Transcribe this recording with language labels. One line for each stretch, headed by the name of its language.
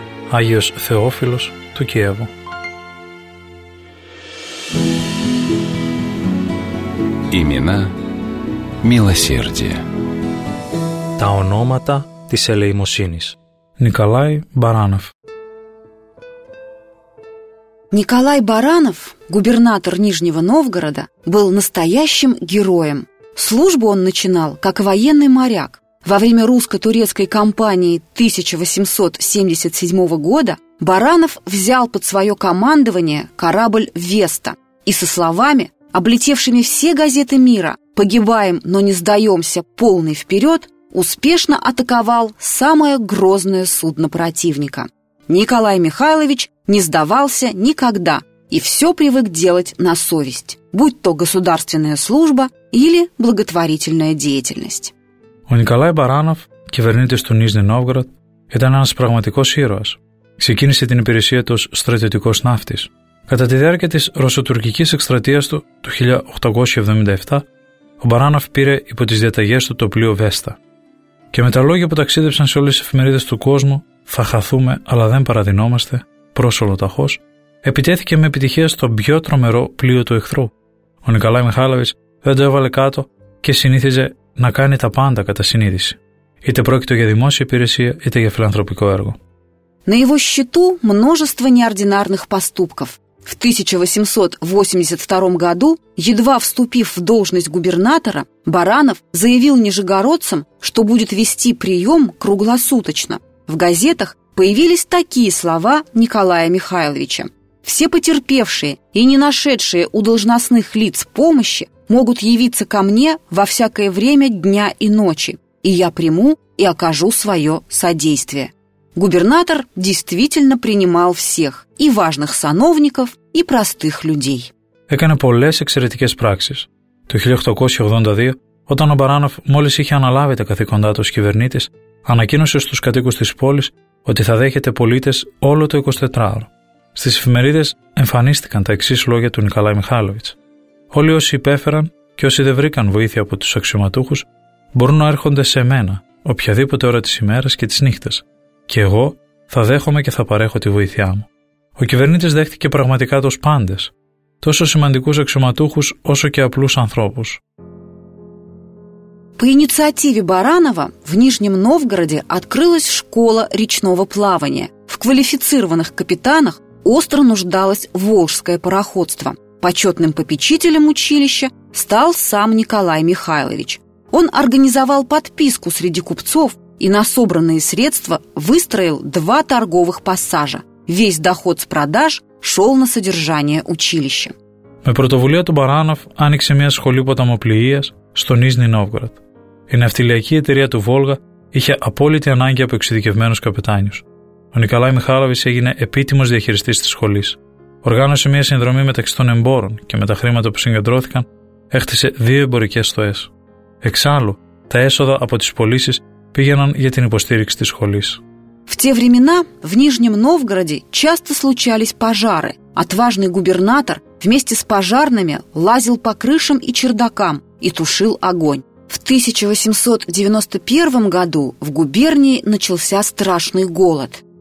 Greek: Άγιος Θεόφιλος του Κιέβου.
Russian: Имена милосердия.
Greek: Τα ονόματα της ελεημοσύνης. Νικολάι Μπαράνοφ.
Russian: Николай Баранов, губернатор Нижнего Новгорода, был настоящим героем. Службу он начинал как военный моряк. Во время русско-турецкой кампании 1877 года Баранов взял под свое командование корабль «Веста» и со словами, облетевшими все газеты мира «Погибаем, но не сдаемся, полный вперед», успешно атаковал самое грозное судно противника. Николай Михайлович не сдавался никогда и все привык делать на совесть, будь то государственная служба или благотворительная деятельность.
Greek: Ο Νικολάι Μπαράνοφ, κυβερνήτης του Νίζνη Νόβγοροντ, ήταν ένας πραγματικός ήρωας. Ξεκίνησε την υπηρεσία του ως στρατιωτικός ναύτης. Κατά τη διάρκεια της ρωσοτουρκικής εκστρατείας του το 1877, ο Μπαράνοφ πήρε υπό τις διαταγές του το πλοίο Βέστα. Και με τα λόγια που ταξίδεψαν σε όλες τις εφημερίδες του κόσμου, «Θα χαθούμε, αλλά δεν παραδεινόμαστε, πρόσωλο ταχώς», επιτέθηκε με επιτυχία στο πιο τρομερό πλοίο του εχθρού. Ο Νικολάι Μιχάλοβιτς δεν το έβαλε κάτω και συνήθιζε να κάνει τα πάντα κατά συνείδηση, είτε πρόκειται για δημόσια υπηρεσία είτε για φιλανθρωπικό έργο.
Russian: На его счету множество неординарных поступков. В 1882 году, едва вступив в должность губернатора, Баранов заявил нижегородцам, что будет вести прием круглосуточно. В газетах появились такие слова Николая Михайловича: «Все потерпевшие и не нашедшие у должностных лиц помощи могут явиться ко мне во всякое время дня и ночи, и я приму и окажу свое содействие». Губернатор действительно принимал всех, и важных сановников, и простых людей.
Greek: Έκανε πολλές εξαιρετικές πράξεις. Το 1882, όταν ο Μπαράνοφ μόλις είχε αναλάβει τα καθήκοντά του ως κυβερνήτης, ανακοίνωσε στους κατοίκους της πόλης ότι θα δέχεται πολίτες όλο το 24ωρο. Στις εφημερίδες εμφανίστηκαν τα εξής λόγια του Νικολάη Μιχάλοβιτς. Όλοι όσοι υπέφεραν και όσοι δεν βρήκαν βοήθεια από τους αξιωματούχους μπορούν να έρχονται σε μένα οποιαδήποτε ώρα της ημέρας και της νύχτας και εγώ θα δέχομαι και θα παρέχω τη βοήθειά μου. Ο κυβερνήτης δέχτηκε πραγματικά τους πάντες, τόσο σημαντικούς αξιωματούχους όσο και απλούς ανθρώπους.
Russian: По инициативе Баранова в Нижнем Новгороде открылась школа речного плавания. В квалифицированных капитанах остро нуждалось волжское пароходство. Почетным попечителем училища стал сам Николай Михайлович. Он организовал подписку среди купцов и на собранные средства выстроил два торговых пассажа. Весь доход с продаж шел на содержание училища.
Greek: Με πρωτοβουλία του Баранов άνοιξε μια σχολή ποταμοπλοείας στο Νίζνη Νόβγορο. Η ναυτιλιακή εταιρεία του Βόλγα είχε απόλυτη ανάγκη από εξειδικευμένους καπετάνιους. Ο Νικολάη Μιχάλοβιτς έγινε επίτιμος διαχειριστής της σχολής. Οργάνωσε μια συνδρομή μεταξύ των εμπόρων και με τα χρήματα που συγκεντρώθηκαν έκτισε δύο εμπορικές στοές. Εξάλλου, τα έσοδα από τις πωλήσεις πήγαιναν για την υποστήριξη της σχολής.
Russian: В те времена в Нижнем Новгороде часто случались пожары. Отважный губернатор вместе с пожарными лазил по крышам и чердакам и тушил огонь. В 1891 году в губернии начался страшный голод.